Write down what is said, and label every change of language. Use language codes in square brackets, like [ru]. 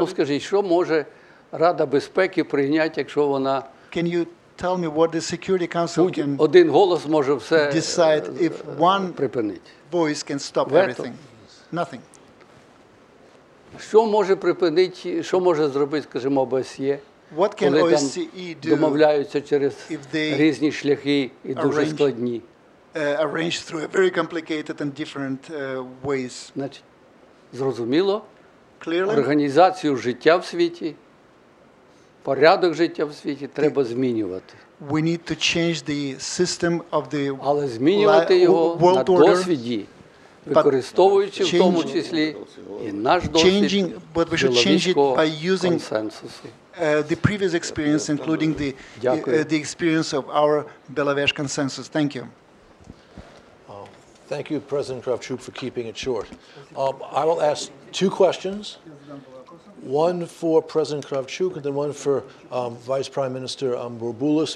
[uk] Ну, скажіть, що може Рада безпеки прийняти, якщо вона... [en] Can you tell me what the Security Council can... [uk] Один голос може все [en] decide if one voice can stop everything. Nothing. [uk] Що може припинити, що може зробити, скажімо, ОБСЄ? [en] What can OSCE do [uk] домовляються через різні шляхи і дуже складні? [en] Arranged through a very complicated and different ways. [uk] Зрозуміло? [en] Clearly? [uk] Організацію життя в світі, порядок життя в світі треба змінювати. [en] We need to change the system of the world order. [uk] Але змінювати його на досвіді, використовуючи в тому числі і наш досвід чоловічого консенсусу. [en] The previous experience, including the experience of our Belavezhe consensus. Thank you. Thank you, President Kravchuk, for keeping it short. I will ask two questions, one for President Kravchuk and then one for Vice Prime Minister Bourboulis.